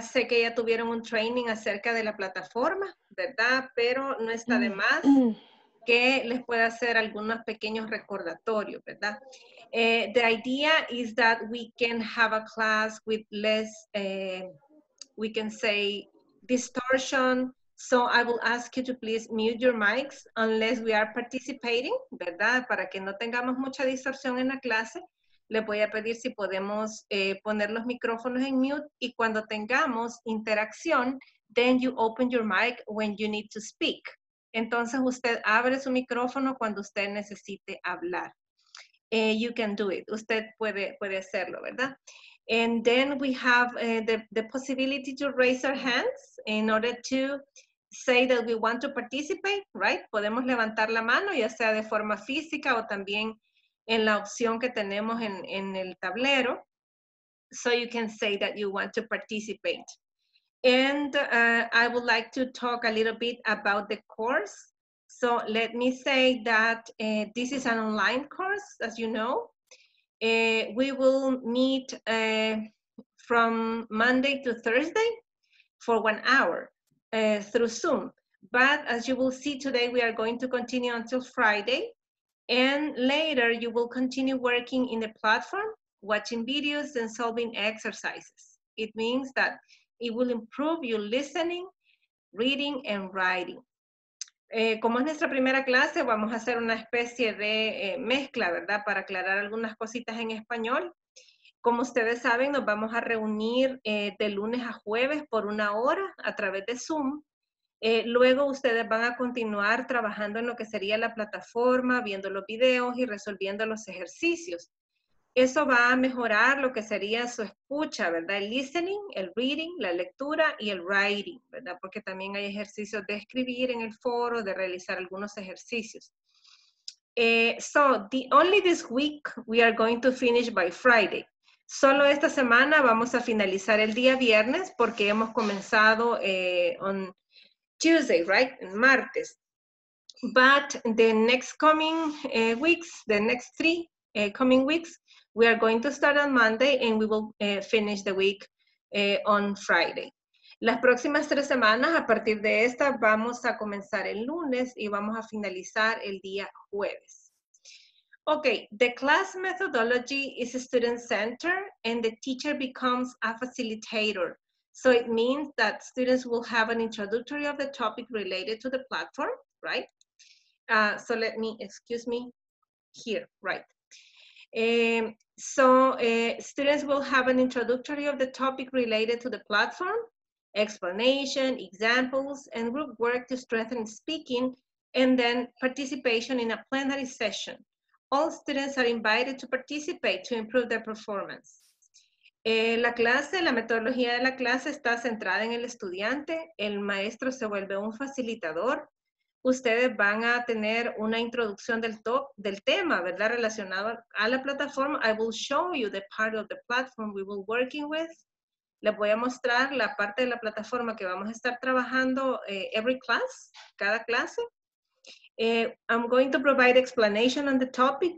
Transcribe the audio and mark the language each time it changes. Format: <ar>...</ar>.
<es>Sé que ya tuvieron un training acerca de la plataforma, ¿verdad? Pero no está de más que les pueda hacer algunos pequeños recordatorios, ¿verdad?</es> <en>The idea is that we can have a class with less, we can say, distortion. So I will ask you to please mute your mics unless we are participating,</en> <es>¿verdad? Para que no tengamos mucha distorsión en la clase. Le voy a pedir si podemos poner los micrófonos en mute y cuando tengamos interacción,</es> <en>then you open your mic when you need to speak.</en> <es>Entonces usted abre su micrófono cuando usted necesite hablar.</es> <en>You can do it.</en> <es>Usted puede hacerlo, ¿verdad?</es> <en>And then we have the possibility to raise our hands in order to say that we want to participate, right?</en> <es>Podemos levantar la mano, ya sea de forma física o también en la opción que tenemos en el tablero.</es> <en>So you can say that you want to participate. And I would like to talk a little bit about the course. So let me say that this is an online course, as you know. We will meet from Monday to Thursday for 1 hour through Zoom. But as you will see today, we are going to continue until Friday. And later you will continue working in the platform, watching videos and solving exercises. It means that it will improve your listening, reading and writing.</en> <es>Como es nuestra primera clase, vamos a hacer una especie de mezcla, ¿verdad? Para aclarar algunas cositas en español. Como ustedes saben, nos vamos a reunir de lunes a jueves por 1 hora a través de Zoom. Luego ustedes van a continuar trabajando en lo que sería la plataforma, viendo los videos y resolviendo los ejercicios. Eso va a mejorar lo que sería su escucha, ¿verdad? El listening, el reading, la lectura y el writing, ¿verdad? Porque también hay ejercicios de escribir en el foro, de realizar algunos ejercicios.</es> <en>So, only this week we are going to finish by Friday.</en> <es>Solo esta semana vamos a finalizar el día viernes porque hemos comenzado</es> <en>on Tuesday, right?</en> <es>En martes.</es> <en>But the next coming weeks, the next 3 coming weeks, we are going to start on Monday and we will finish the week on Friday.</en> <es>Las próximas 3 semanas, a partir de esta, vamos a comenzar el lunes y vamos a finalizar el día jueves.</es> <en>Okay, the class methodology is a student-centered and the teacher becomes a facilitator. So it means that students will have an introductory of the topic related to the platform, right? So let me, excuse me, here, right. Students will have an introductory of the topic related to the platform, explanation, examples, and group work to strengthen speaking, and then participation in a plenary session All students are invited to participate to improve their performance.</en> <es>La clase, la metodología de la clase está centrada en el estudiante. El maestro se vuelve un facilitador. Ustedes van a tener una introducción del tema, ¿verdad? Relacionado a la plataforma.</es> <en>I will show you the part of the platform we will working with.</en> <es>Les voy a mostrar la parte de la plataforma que vamos a estar trabajando</es> <en>every class,</en> <es>cada clase.</es> <en>I'm going to provide explanation on the topic.</en>